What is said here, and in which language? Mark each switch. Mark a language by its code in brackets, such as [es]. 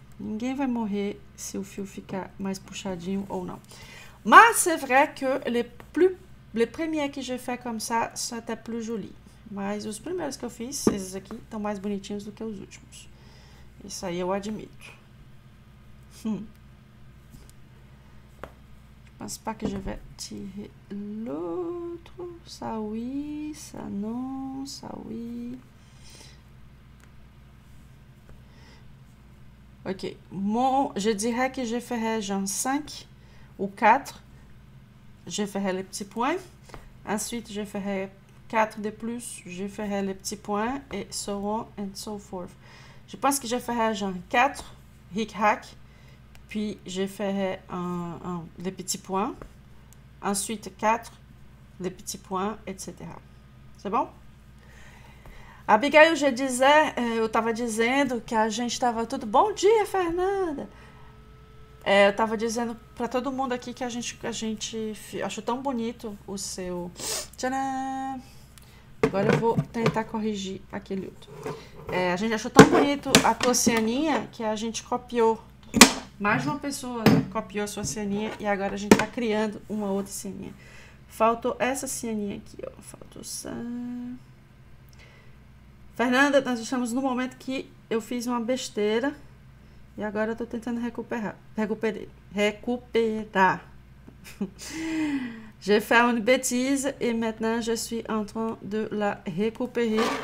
[pt] Ninguém vai morrer se o fio ficar mais puxadinho ou não. [fr] Mas c'est vrai que les premiers que j'ai fait comme ça sont até plus jolis. [pt] Mas os primeiros que eu fiz, esses aqui, estão mais bonitinhos do que os últimos. Isso aí eu admito. [fr] Pense pas que je vais tirer l'autre. Ça oui, ça non, ça oui. Ok. Bon, je dirais que je ferai genre 5 ou 4. Je ferai les petits points. Ensuite, je ferai 4 de plus. Je ferai les petits points. Et [en] so on and so forth. [fr] Je pense que je ferai genre 4 hic-hac, puis je ferai les petits points, ensuite 4, les petits points, etc. C'est bon? [pt] Abigail, eu estava dizendo que a gente estava tudo. Bom dia, Fernanda! Eu tava dizendo para todo mundo aqui que a gente achou tão bonito o seu. Tcharam! Agora eu vou tentar corrigir aquele outro. A gente achou tão bonito a tua cianinha que a gente copiou. Mais uma pessoa, né, copiou a sua cianinha e agora a gente tá criando uma outra cianinha. Faltou essa cianinha aqui, ó. Faltou essa. Fernanda, nós estamos no momento que eu fiz uma besteira. E agora eu tô tentando recuperar. Recuperar. [fr] J'ai fait une bêtise et maintenant je suis en train de la récupérer.